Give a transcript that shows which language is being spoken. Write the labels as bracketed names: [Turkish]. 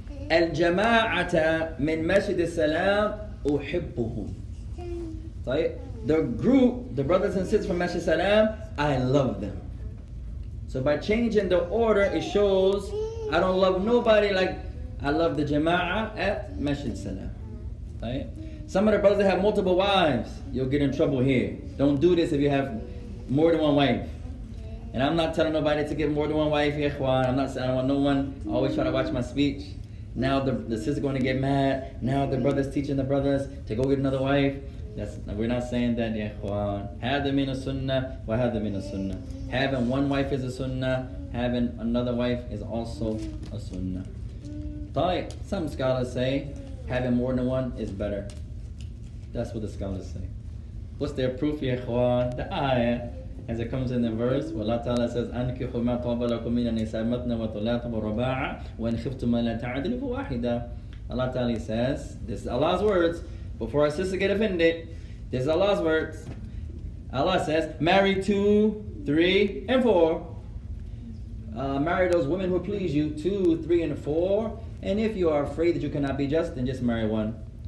[Arabic] الجماعة من مسجد السلام أحبهم. طيب. [English] The group, the brothers and sisters from Masjid Salam, I love them. So by changing the order, it shows I don't love nobody like I love the jama'ah at Masjid Salam. Right? Some of the brothers that have multiple wives, you'll get in trouble here. Don't do this if you have more than one wife. And I'm not telling nobody to get more than one wife, Yehwan. I'm not saying I don't want no one. I always try to watch my speech. Now the sister's going to get mad. Now the brother's teaching the brothers to go get another wife. That's, we're not saying that, ya ikhwan. [Arabic] Hadha min as-sunnah wa hadha min as-sunnah. [English] Having one wife is a sunnah, having another wife is also a sunnah. طيب, some scholars say having more than one is better. That's what the scholars say. What's their proof, ya ikhwan? The ayah, as it comes in the verse, where Allah Ta'ala says, [Arabic] أَنْكِحُ مَا طَوَبَ لَكُمْ مِنَ النِّسَاءِ مَثْنَى وَثُلَاثَ وَرُبَاعَ وَإِنْ خِفْتُمْ أَلَّا تَعْدِلُوا فَوَاحِدَةً. [English] Allah Ta'ala says, this is Allah's words. Before our sister get offended, this is Allah's words. Allah says, marry 2, 3, and 4. Marry those women who please you, 2, 3, and 4. And if you are afraid that you cannot be just, then just marry one.